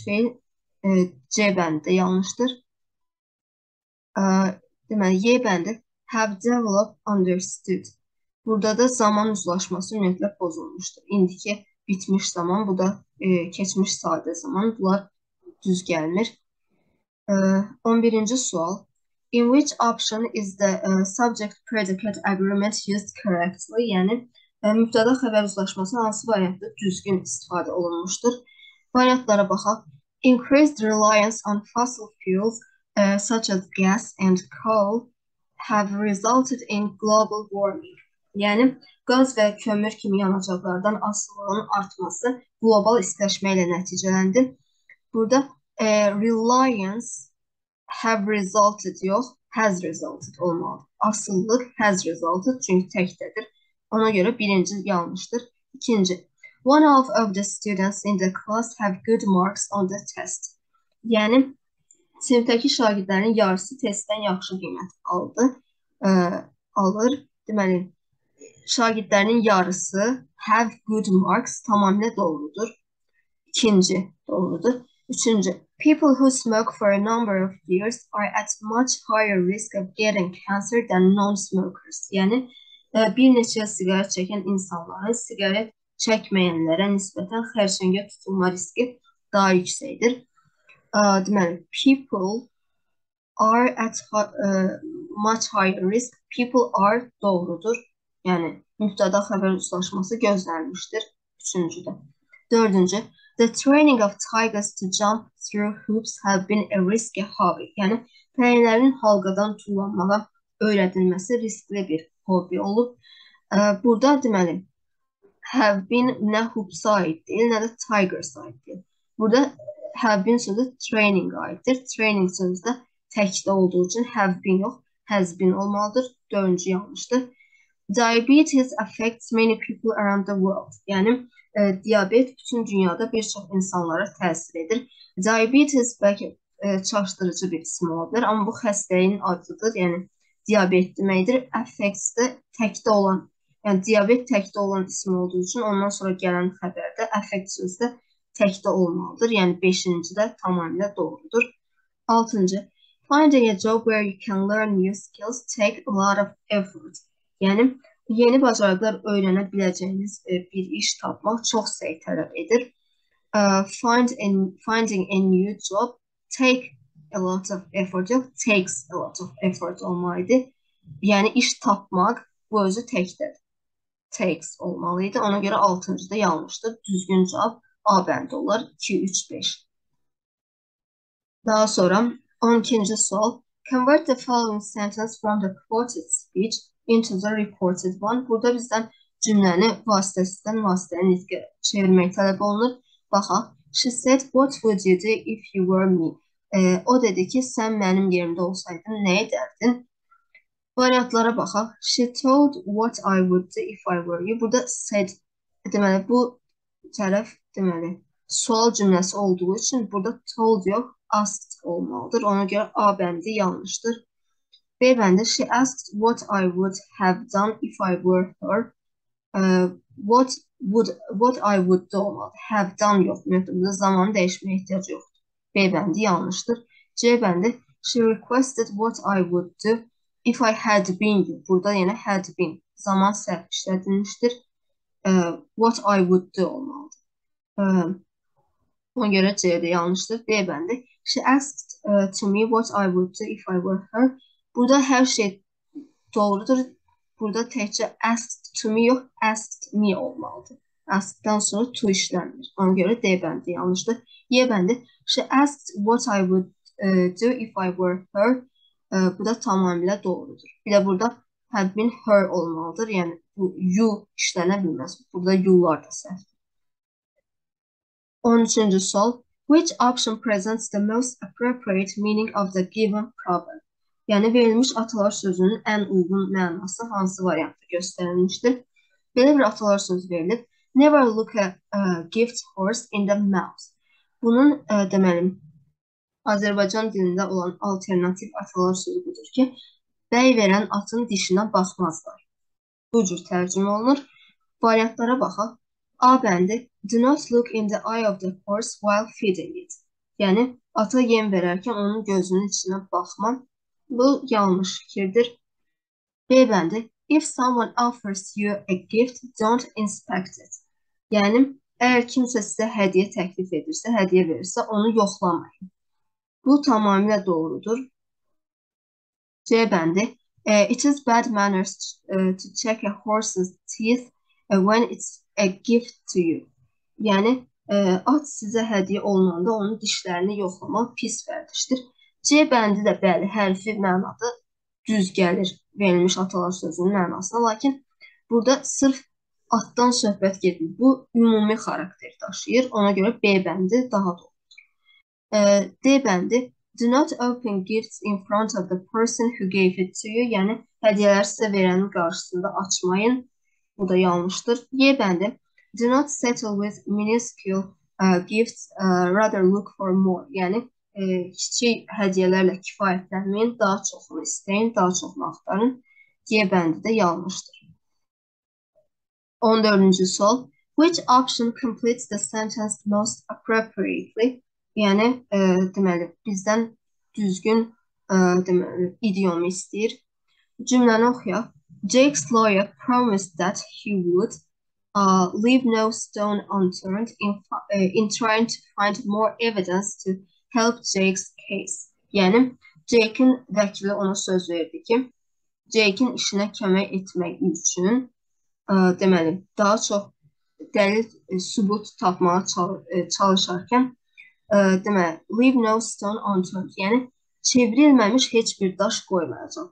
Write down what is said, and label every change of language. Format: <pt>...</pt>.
<az>Fail C bəndi də yanlışdır. Deməli Y bəndi</az> <en>have developed understood.</en> <az>Burada da zaman uzlaşması ümumiyyətlə pozulmuşdur. İndiki bitmiş zaman, bu da keçmiş sadə zaman. Bunlar düz gəlmir. 11-ci sual.</az> <en>In which option is the subject predicate agreement used correctly?</en> <az>Yəni, mübtəda xəbər uzlaşması hansı variantda düzgün istifadə olunmuşdur? Variantlara baxaq.</az> <en>Increased reliance on fossil fuels such as gas and coal have resulted in global warming.</en> <az>Yəni, qaz və kömür kimi yanacaqlardan asılılığının artması global istiləşmə ilə nəticələndi. Burada</az> <en>reliance have resulted</en> <az>yox,</az> <en>has resulted</en> <az>olmalıdır. Asıllıq</az> <en>has resulted</en> <az>çünki təkdədir. Ona görə birinci yanlışdır. İkinci,</az> <en>one of the students in the class have good marks on the test.</en> <az>Yəni, sinifdəki şagirdlərin yarısı testdən yaxşı qiymət aldı, alır. Deməli, şagirdlərinin yarısı</az> <en>have good marks</en> <az>tamamilə doğrudur. İkinci doğrudur. Üçüncü,</az> <en>people who smoke for a number of years are at much higher risk of getting cancer than non-smokers.</en> <az>Yəni, bir neçə siqaret çəkən insanların siqaret çəkməyənlərə nisbətən xərçəngə tutulma riski daha yüksəkdir. Deməli,</az> <en>people are at much higher risk. People are</en> <az>doğrudur. Yəni, mübtəda xəbər uzlaşması gözlənmişdir. Üçüncü də. Dördüncü,</az> <en>the training of tigers to jump through hoops have been a risky hobby.</en> <az>Yəni, pəyələrin halqadan tullanmağa öyrədilməsi riskli bir hobi olub. Burada deməli,</az> <en>have been</en> <az>nə hoops aiddir, nə də tigers aiddir. Burada</az> <en>have been</en> <az>sözü training aitdir. Training sözü de təkdə olduğu için have been yox,</az> <en>has been</en> <az>olmalıdır. Dördüncü yanlışdır.</az> <en>Diabetes affects many people around the world.</en> <az>Yəni, diabet bütün dünyada bir çox insanlara təsir edir. Diabetes belki çaşdırıcı bir isim olabilir, ama bu xəstəyin adıdır. Yəni, diabet deməkdir. Affects də təkdə olan, yəni diabet təkdə olan isim olduğu için ondan sonra gələn xəbərdə affects sözü də təkdə olmalıdır. Yəni, beşinci də tamamilə doğrudur. Altıncı,</az> <en>finding a job where you can learn new skills take a lot of effort.</en> <az>Yəni, yeni bacarıqlar öyrənə biləcəyiniz bir iş tapmaq çox səy tələb edir.</az> <en>Finding a new job take a lot of effort.</en> <az>Yox,</az> <en>takes a lot of effort</en> <az>olmalıydı. Yəni, iş tapmaq bu özü təkdir. Takes olmalıydı. Ona görə 6-cı da yanlışdır. Düzgün cavab A bəndi olar. 2, 3, 5. Daha sonra 12-ci sual.</az> <en>Convert the following sentence from the quoted speech into the reported one.</en> <az>Burada bizden cümleni vasitəsindən vasitəyə nitqə çevirmək tələb olunur. Baxa.</az> <en>She said, what would you do if you were me?</en> <az>O dedi ki, sən mənim yerimdə olsaydın, nə edərdin? Variantlara baxa.</az> <en>She told what I would do if I were you.</en> <az>Burada said, deməli, bu tərəf, deməli, sual cümləsi olduğu için burada told yox, asked olmalıdır. Ona görə A bəndi yanlışdır. B bəndi,</az> <en>she asked what I would have done if I were her. What I would do</en> <az>olmalı.</az> <en>Have done</en> <az>yox. Burada zamanı dəyişməyə ehtiyac yoxdur. B bəndi yanlışdır. C bəndi,</az> <en>she requested what I would do if I had been you.</en> <az>Burada yenə had been. Zaman səhv işlədilmişdir.</az> <en>What I would do</en> <az>olmalı. Ona görə C də yanlışdır. B bəndi,</az> <en>she asked to me what I would do if I were her.</en> <az>Burada hər şey doğrudur. Burada təkcə</az> <en>asked to me</en> <az>yox,</az> <en>asked me</en> <az>olmalıdır. Asked-dan sonra to işlənir. Ona görə D bəndi yanlışdır. Y bəndi,</az> <en>she asked what I would do if I were her.</en> <az>Bu da tamamilə doğrudur. Bir də burada</az> <en>had been her</en> <az>olmalıdır. Yəni, bu you işlənə bilməz. Burada you-lar da səhv. 13-cü sual.</az> <en>Which option presents the most appropriate meaning of the given problem?</en> <az>Yəni, verilmiş atalar sözünün ən uyğun mənası hansı variantda göstərilmişdir? Belə bir atalar sözü verilib.</az> <en>Never look a gift horse in the mouth.</en> <az>Bunun, deməli, Azərbaycan dilində olan alternativ atalar sözü budur ki, bəy verən atın dişinə baxmazlar. Bu cür tərcümə olunur. Variantlara baxaq. A bəndi,</az> <en>do not look in the eye of the horse while feeding it.</en> <az>Yəni, ata yem verərkən onun gözünün içinə baxmam. Bu yanlış fikirdir. B bəndi,</az> <en>if someone offers you a gift, don't inspect it.</en> <az>Yəni, əgər kimsə sizə hədiyə təklif edirsə, hədiyə verirsə, onu yoxlamayın. Bu tamamilə doğrudur. C bəndi,</az> <en>it is bad manners to check a horse's teeth when it's a gift to you.</en> <az>Yəni, at sizə hədiyə olunanda onun dişlərini yoxlamaq pis vərdişdir. C bəndi də bəli, hərfi mənada düz gəlir verilmiş atalar sözünün mənasına. Lakin burada sırf atdan söhbət gedir. Bu, ümumi xarakter daşıyır. Ona görə B bəndi daha doğrudur. D bəndi,</az> <en>do not open gifts in front of the person who gave it to you.</en> <az>Yəni, hədiyələr sizə verənin qarşısında açmayın. Bu da yanlışdır. Y bəndi,</az> <en>do not settle with minuscule gifts, rather look for more.</en> <az>Yəni, kiçik hədiyələrlə kifayətlənməyin, daha çoxunu istəyin, daha çoxunu axtarın. Y bəndi də yanlışdır. 14-cü sual.</az> <en>Which option completes the sentence most appropriately?</en> <az>Yəni, deməli, bizdən düzgün deməli, idiomu istəyir. Cümləni oxuyaq.</az> <en>Jake's lawyer promised that he would leave no stone unturned in trying to find more evidence to help Jake's case.</en> <az>Yəni, Jake'in vəkili ona söz verdi ki, Jake'in işinə kömək etmək üçün, deməli, daha çox dəlil sübut tapmağa çalışarkən, deməli,</az> <en>leave no stone unturned,</en> <az>yəni, çevrilməmiş heç bir daş qoymayacaq.</az>